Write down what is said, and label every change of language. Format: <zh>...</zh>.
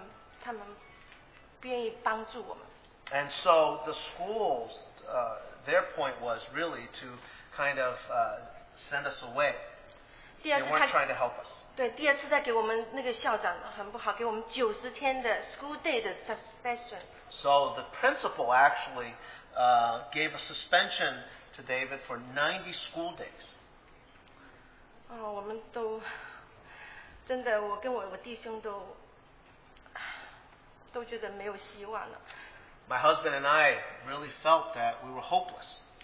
<zh>学校的目的就是要把你们赶出去，就是赶出这个学校。他们愿意帮助我们。</zh> <en>And so the schools, their point was really to kind of send us away. They weren't trying to help us.</en> <zh>对，第二次再给我们那个校长很不好，给我们90天的</zh> <en>school day</en> <zh>的</zh> <en>suspension. So the principal actually gave a suspension to David for 90 school days.</en> <zh>哦，我们都真的，我跟我弟兄都觉得没有希望了。</zh> <en>My husband and I really felt that we were hopeless.</en>